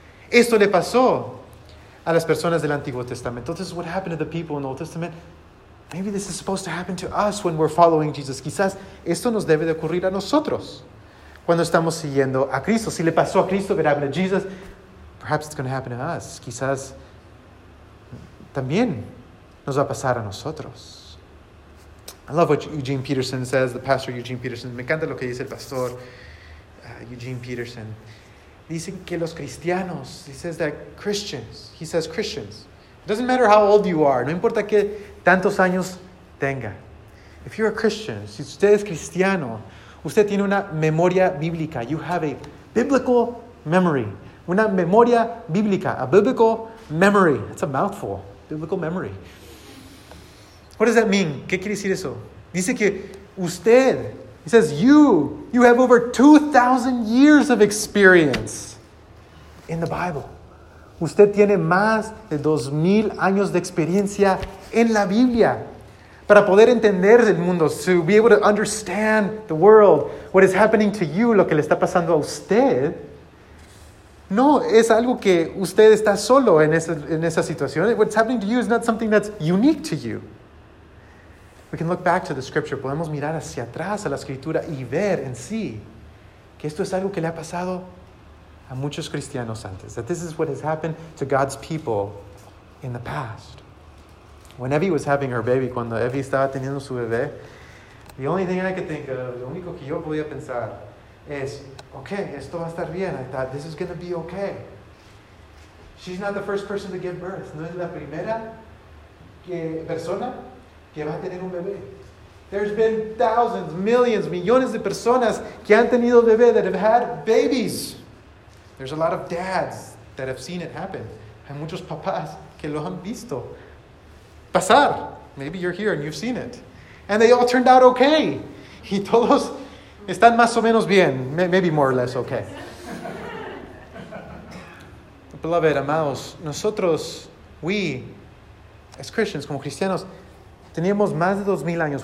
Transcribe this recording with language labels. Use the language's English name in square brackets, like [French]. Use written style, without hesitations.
[Spanish] Esto le pasó a las personas del Antiguo Testamento. [English] This is what happened to the people in the Old Testament. Maybe this is supposed to happen to us when we're following Jesus. [Spanish] Quizás esto nos debe de ocurrir a nosotros cuando estamos siguiendo a Cristo. Si le pasó a Cristo, [English] it happened to Jesus. Perhaps it's going to happen to us. [Spanish] Quizás también nos va a pasar a nosotros. [English] I love what Eugene Peterson says, the pastor Eugene Peterson. [Spanish] Me encanta lo que dice el pastor Eugene Peterson. Dicen que los cristianos, [English] he says Christians, it doesn't matter how old you are, [Spanish] no importa qué tantos años tenga. [English] If you're a Christian, [Spanish] si usted es cristiano, usted tiene una memoria bíblica. [English] You have a biblical memory. [Spanish] Una memoria bíblica, [English] a biblical memory. That's a mouthful, biblical memory. What does that mean? [Spanish] ¿Qué quiere decir eso? Dice que usted, [English] he says, you have over 2,000 years of experience in the Bible. [Spanish] Usted tiene más de 2,000 años de experiencia en la Biblia. Para poder entender el mundo, [English] to be able to understand the world, what is happening to you, [Spanish] lo que le está pasando a usted, no, es algo que usted está solo en esa situación. [English] What's happening to you is not something that's unique to you. We can look back to the scripture. [Spanish] Podemos mirar hacia atrás a la escritura y ver en sí que esto es algo que le ha pasado a muchos cristianos antes. [English] That this is what has happened to God's people in the past. When Evie was having her baby, [Spanish] cuando Evie estaba teniendo su bebé, [English] the only thing I could think of, [Spanish] lo único que yo podía pensar es, okay, esto va a estar bien. [English] I thought, this is going to be okay. She's not the first person to give birth. [Spanish] No es la primera persona que va a tener un bebé. [English] There's been thousands, millions, [Spanish] millones de personas que han tenido bebé, [English] that have had babies. There's a lot of dads that have seen it happen. [Spanish] Hay muchos papás que lo han visto pasar. [English] Maybe you're here and you've seen it. And they all turned out okay. [Spanish] Y todos están más o menos bien, [English] maybe more or less okay. [Spanish] Beloved, amados, nosotros, [English] we, as Christians, [Spanish] como cristianos, teníamos más de 2,000 años.